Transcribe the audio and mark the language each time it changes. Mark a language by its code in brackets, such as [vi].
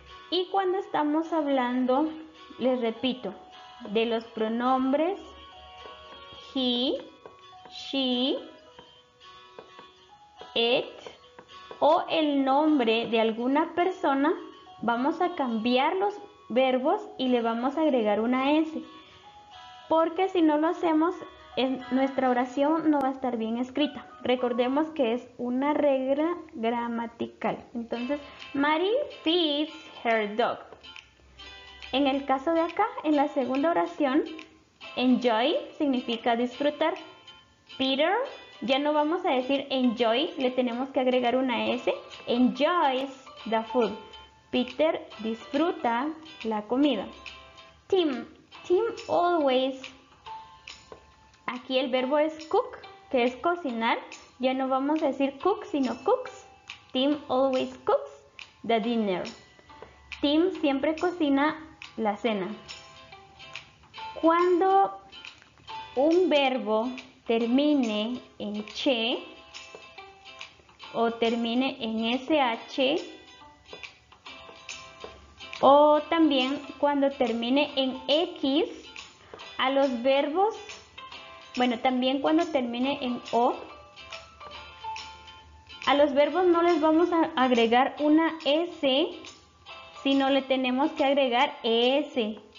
[es] Y cuando estamos hablando, les repito, de los pronombres he, she, it o el nombre de alguna persona, vamos a cambiar los verbos y le vamos a agregar una S. Porque si no lo hacemos, en nuestra oración no va a estar bien escrita. Recordemos que es una regla gramatical. [en] Entonces, Mari feeds her dog. [es] En el caso de acá, en la segunda oración, enjoy significa disfrutar. Peter Ya no vamos a decir enjoy, le tenemos que agregar una S. [en] Enjoys the food. [es] Peter disfruta la comida. [en] Tim. Tim always. [es] Aquí el verbo es cook, que es cocinar. Ya no vamos a decir cook, sino cooks. [en] Tim always cooks the dinner. [es] Tim siempre cocina la cena. Cuando un verbo termine en che o termine en sh o también cuando termine en x, a los verbos, bueno, también cuando termine en o, a los verbos no les vamos a agregar una s, sino le tenemos que agregar s.